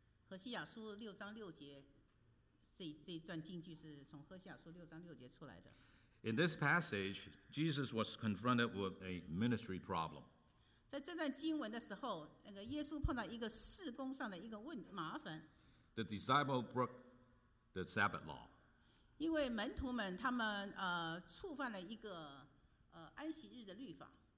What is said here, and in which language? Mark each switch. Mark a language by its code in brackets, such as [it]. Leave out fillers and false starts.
[zh] 何西雅书六章六节，这一段经句是从何西雅书六章六节出来的。 [en] In this passage, Jesus was confronted with a ministry problem. [zh] 在这段经文的时候，那个耶稣碰到一个事工上的一个麻烦。 [en] The disciple broke the Sabbath law. [zh] 因为门徒们他们触犯了一个安息日的律法。